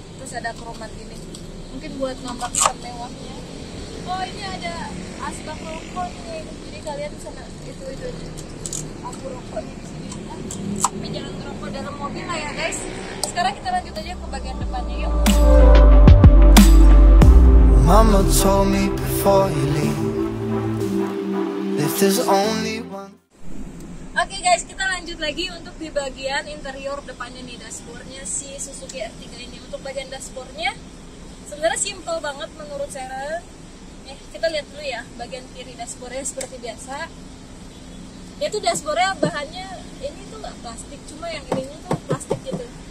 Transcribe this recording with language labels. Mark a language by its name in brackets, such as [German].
[Indonesian] Terus ada kromat ini, mungkin buat nampak kemewahnya. Oh, ini ada asbak rokok nih, jadi kalian bisa itu aku rokoknya di sini ya. Tapi jangan rokok dalam mobil lah ya guys. Sekarang kita lanjut aja ke bagian depannya yuk. [English] Mama told me before you leave, if there's only one. [Indonesian] Okay guys, kita lanjut lagi untuk di bagian interior depannya nih, dashboardnya si Suzuki R3 ini. Untuk bagian dashboardnya sebenarnya simple banget menurut saya. Kita lihat dulu ya bagian kiri dashboardnya seperti biasa. Itu dashboardnya bahannya ini tuh nggak plastik, cuma yang ininya tuh plastik gitu.